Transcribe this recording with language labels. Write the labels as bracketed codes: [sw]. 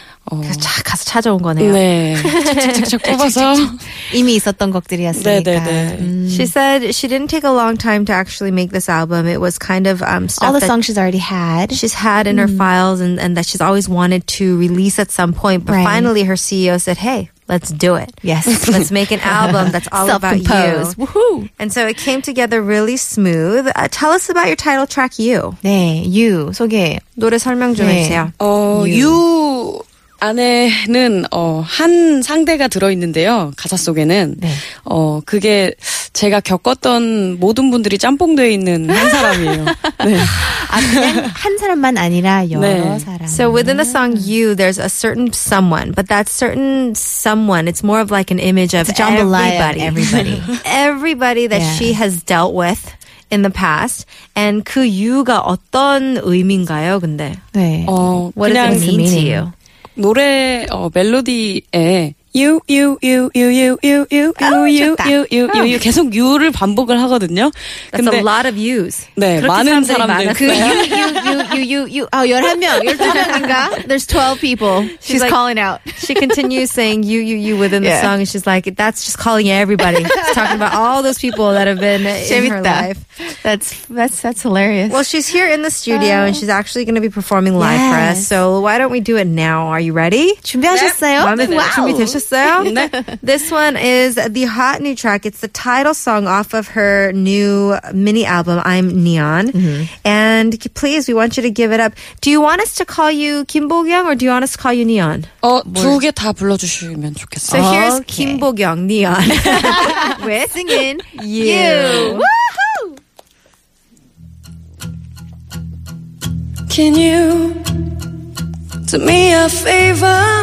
[ko] 어, 그래서 가서 찾아온 거네요. 네. 착착착 뽑아서 이미 있었던 곡들이었으니까. 네네네. [en] She said she didn't take a long time to actually make this album. It was kind of stuff all the songs she's already had. She's had in her files and that she's always wanted to release at some point. But finally her CEO said, hey, let's do it. Yes. Let's make an album that's all Self-compose. About you. Woohoo! And so it came together really smooth. Tell us about your title track, You. [ko] 네, You. 소개. 노래 설명 좀 네. 해주세요. [en] You. [ko] 안에는 어, 한 상대가 들어있는데요. 가사 속에는 네. 어, 그게 제가 겪었던 모든 분들이 짬뽕되어 있는 한 사람이에요. 네. 아, 그냥 한 사람만 아니라 여러 네. 사람. [en] So within the song You, there's a certain someone. But that certain someone, it's more of like an image of everybody. Everybody. Everybody that yeah. she has dealt with in the past. And [ko] 그 You가 어떤 의미인가요, 근데? 네. [en] 어, what does it mean to meaning. You? [ko] 노래 어 멜로디에 [en] you you you you [ko] you you you you you you you you you 계속 you를 반복을 하거든요. [en] That's a lot of you's. [ko] 네, 많은 사람들. 그 [en] you you you you you you. [ko] 어, 11명. 12명인가? [en] There's 12 people. She's calling out. She continues saying you you you within the song. She's like, that's just calling everybody. She's talking about all those people that have been in her life. That's hilarious. Well, she's here in the studio and she's actually going to be performing live for us. So why don't we do it now? Are you ready? [ko] 준비하셨어요? 네. Wow. 준비되셨어요? 네. [en] This one is the hot new track. It's the title song off of her new mini album, I'm Neon. Mm-hmm. And please, we want you to give it up. Do you want us to call you Kim Bok-young or do you want us to call you Neon? [ko] 두 개 다 불러주시면 좋겠어요. [en] So here's okay. Kim Bok-young, Neon. We're singing You. Can you do me a favor?